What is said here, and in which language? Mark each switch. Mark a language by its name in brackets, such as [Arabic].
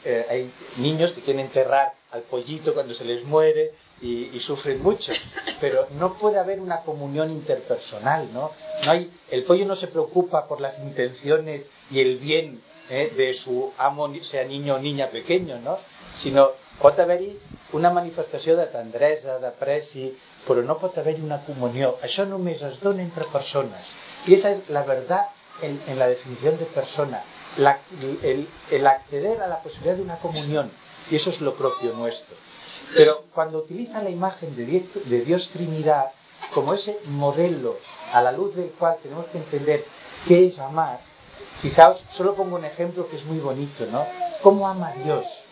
[Spanish] hay niños que quieren enterrar al pollito cuando se les muere y sufren mucho. Pero no puede haber una comunión interpersonal, ¿no? El pollo no se preocupa por las intenciones y el bien de su amo, sea niño o niña pequeño, ¿no? [Catalan] Sino pot haver-hi una manifestació de tendresa, de preci, però no pot haver-hi una comunió. Això només es dona entre persones. [Spanish] I esa és la verdad en la definición de persona, el acceder a la posibilidad de una comunión, y eso es lo propio nuestro. Pero cuando utiliza la imagen de Dios Trinidad como ese modelo a la luz del cual tenemos que entender qué es amar, fijaos, solo pongo un ejemplo que es muy bonito, ¿no? ¿Cómo ama Dios?